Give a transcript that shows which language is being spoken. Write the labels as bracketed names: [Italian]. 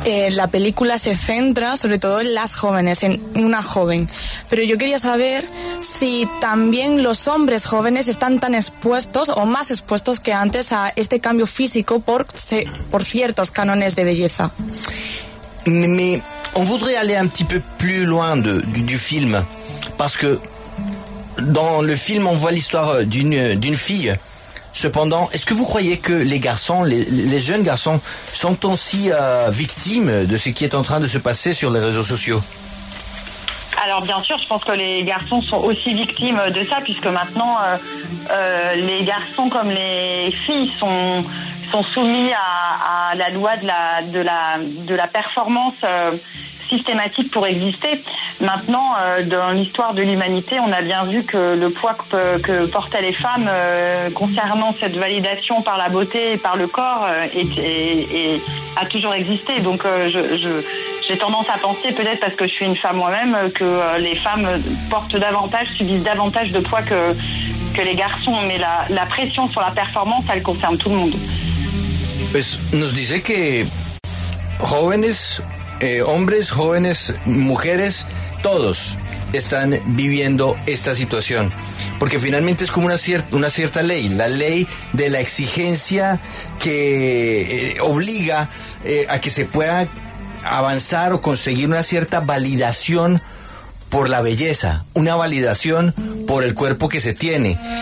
[Spanish] La película se centra sobre todo en las jóvenes, en una joven, pero yo quería saber si también los hombres jóvenes están tan expuestos o más expuestos que antes a este cambio físico por ciertos cánones de belleza. [French] Mais on voudrait aller un petit peu plus loin du film, parce que dans le film on voit l'histoire d'une fille Cependant, est-ce que vous croyez que les garçons, les jeunes garçons, sont aussi victimes de ce qui est en train de se passer sur les réseaux sociaux ? Alors bien sûr, je pense que les garçons sont aussi victimes de ça, puisque maintenant, les garçons comme les filles sont soumis à la loi de la performance systématique pour exister. Maintenant, dans l'histoire de l'humanité, on a bien vu que le poids que portaient les femmes concernant cette validation par la beauté et par le corps a toujours existé. Donc j'ai tendance à penser, peut-être parce que je suis une femme moi-même, que les femmes portent davantage, subissent davantage de poids que les garçons. Mais la pression sur la performance, elle concerne tout le monde. [Spanish] Pues nos dice que jóvenes, hombres, jóvenes, mujeres, todos están viviendo esta situación. Porque finalmente es como una cierta ley, la ley de la exigencia que obliga a que se pueda avanzar o conseguir una cierta validación por la belleza, una validación por el cuerpo que se tiene.